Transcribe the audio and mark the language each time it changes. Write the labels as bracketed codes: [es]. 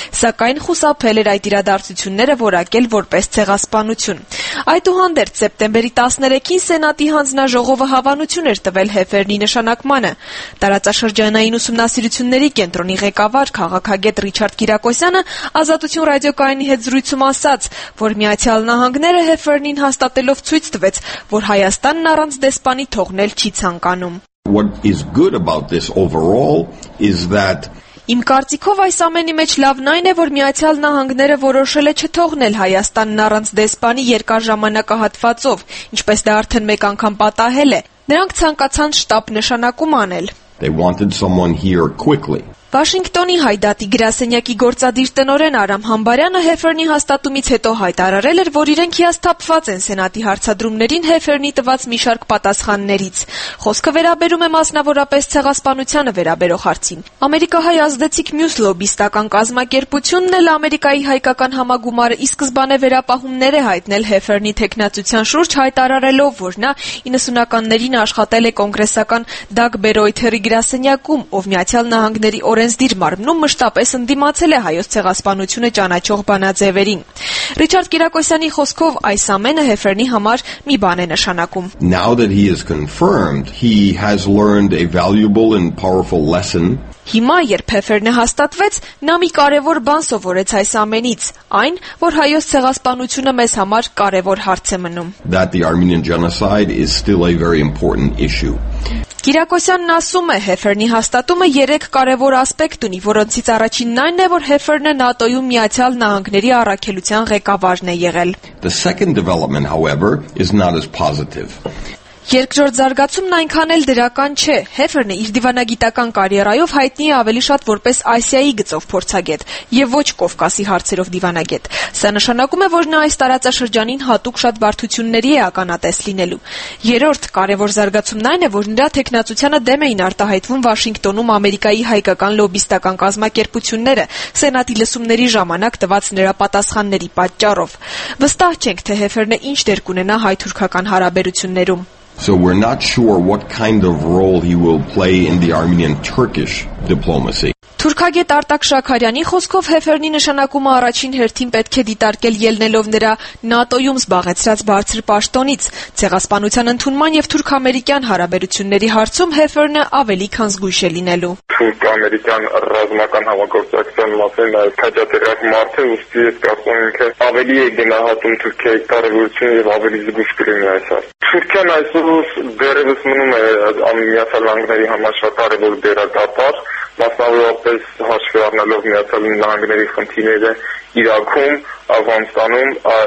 [hy] սակայն խուսափել էր այդ իրադարձությունները որակել որպես ցեղասպանություն։ Այդուհանդերձ սեպտեմբերի 13-ին Սենատի հանձնաժողովը հավանություն էր տվել Հեփֆերնի նշանակմանը։ Տարածաշրջանային ուսումնասիրությունների կենտրոնի ղեկավար քաղաքագետ Ռիչարդ Կիրակոսյանը Ազատություն ռադիոկայանի հետ զրույցում ասաց, որ Միացյալ Նահանգները Հեփֆերնին հաստատելով ցույց տվեց, որ Հայաստանն առանց դեսպանի թողնել չի ցանկանում։ [en] What is good about this overall is that [hy] Իմ կարծիքով այս ամենի մեջ լավն այն է, որ Միացյալ Նահանգները որոշել է չթողնել Հայաստանն առանց դեսպանի երկար ժամանակահատվածով, ինչպես դա արդեն մեկ անգամ պատահել է։ Նրանք ցանկացան շտապ նշանակում անել։ [en] They wanted someone here quickly. [hy] Վաշինգտոնի հայդատի գրասենյակի գործադիր տնօրեն Արամ Համբարյանը Հեփֆերնի հաստատումից հետո հայտարարել էր, որ իրենք հիասթափված են Սենատի հարցադրումներին Հեփֆերնի տված մի շարք պատասխաններից։ Խոսքը վերաբերում է մասնավորապես ցեղասպանությանը վերաբերող հարցին։ Ամերիկահայ ազդեցիկ մյուս լոբիստական կազմակերպությունն էլ Ամերիկայի հայկական համագումարը ի սկզբանե վերապահումներ է հայտնել Հեփֆերնի թեկնածության շուրջ, հայտարարելով, որ նա 90-ականներին աշխատել է կոնգրեսական Դակ Բերոյթերի գրասենյակում, ով Միացյալ Նահանգների օրենսդիր մարմնում մշտապես ընդդիմացել է հայոց ցեղասպանությունը ճանաչող բանաձևերին։ Ռիչարդ Կիրակոսյանի խոսքով այս ամենը Հեփֆերնի համար մի բան է նշանակում։ [en] Now that he is confirmed, he has learned a valuable and powerful lesson. [hy] Հիմա, երբ Հեփֆերնը հաստատվեց, նա մի կարևոր բան սովորեց այս ամենից, այն, որ հայոց ցեղասպանությունը մեզ համար կարևոր հարց է մնում։ [en] That the Armenian genocide is still a very important issue. [hy] Կիրակոսյանն ասում է, Հեփֆերնի հաստատումը երեք կարևոր ասպեկտ ունի, որոնցից առաջինն այն է, որ Հեփֆերնը ՆԱՏՕ-ի ու Միացյալ Նահանգների առաքելության ղեկավարն է եղել։ [en] The second development, however, is not as positive. [hy] Երկրորդ զարգացումն այնքան էլ դրական չէ։ Հեփֆերնը իր դիվանագիտական կարիերայով հայտնի է ավելի շատ որպես Ասիայի գծով փորձագետ և ոչ Կովկասի հարցերով դիվանագետ։ Սա նշանակում է, որ նա այս տարածաշրջանին հատուկ շատ բարդությունների է ականատես լինելու։ Երրորդ կարևոր զարգացումն այն է, որ նրա թեկնածությանը դեմ էին արտահայտվում Վաշինգտոնում Ամերիկայի հայկական լոբիստական կազմակերպությունները Սենատի լսումների ժամանակ տված նրա պատասխանների պատճառով։ Վստահ չենք, թե Հեփֆերնը ինչ դեր կունենա հայ-թուրքական հարաբերություններում։ [en] So we're not sure what kind of role he will play in the Armenian-Turkish diplomacy. [hy] Թուրքագետ Արտակ Շաքարյանի խոսքով Հեփֆերնի նշանակումը առաջին հերթին պետք է դիտարկել ելնելով նրա ՆԱՏՕ-ում զբաղեցրած բարձր պաշտոնից։ Ցեղասպանության ընդունման եւ թուրք-ամերիկյան հարաբերությունների հարցում Հեփֆերնը ավելի քան զգույշ է լինելու։ Թուրք-ամերիկյան ռազմական համագործակցության մասին նաեւ քաջատերակ մարդը ուստի ես կարծում եմ, թե ավելի է գնահատում Թուրքիայի կարևորությունը եւ ավելի զգույշ կլինի այս հարցում։ Թուրքիան այսօր դերևս մնում է Միացյալ Նահանգների համար շատ կարևոր դերակատար, մասնավորապես հաշվի առնելով Միացյալ Նահանգների խնդիրները Իրաքում, Աֆղանստանում,